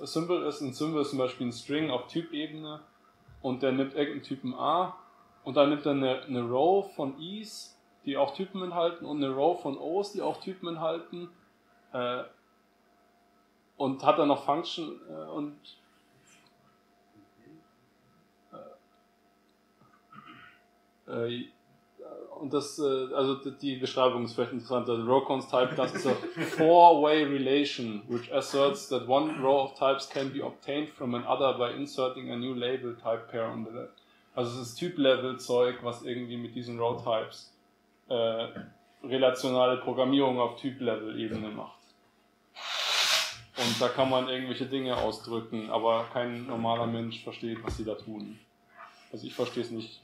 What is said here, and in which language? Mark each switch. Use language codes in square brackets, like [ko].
[de] Ein Symbol ist zum Beispiel ein String auf Typebene, und der nimmt irgendeinen Typen A, und dann nimmt er eine Row von Is, die auch Typen enthalten, und eine Row von Os, die auch Typen enthalten. Und hat dann noch Function und das, also die Beschreibung ist vielleicht interessant. Also Rowcons Type, das ist [en] a four-way relation, which asserts that one row of types can be obtained from another by inserting a new label type pair on the left. [de] Also es ist Typ-Level-Zeug, was irgendwie mit diesen Row Types relationale Programmierung auf Typ-Level-Ebene macht. Und da kann man irgendwelche Dinge ausdrücken, aber kein normaler Mensch versteht, was sie da tun. Also ich verstehe es nicht.